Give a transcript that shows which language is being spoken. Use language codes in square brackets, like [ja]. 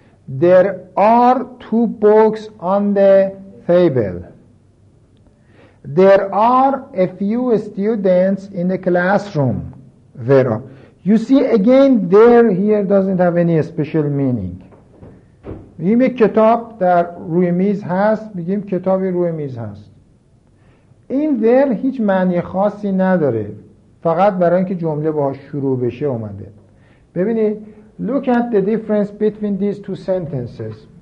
[en] There are two books on the table. There are a few students in the classroom. There are. You see again, there here doesn't have any special meaning. [fa] میگیم یک کتاب در روی میز هست، میگیم کتابی روی میز هست. این there هیچ معنی خاصی نداره، فقط برای اینکه جمله باهاش شروع بشه اومده. ببینید [en] look at the difference between these two sentences.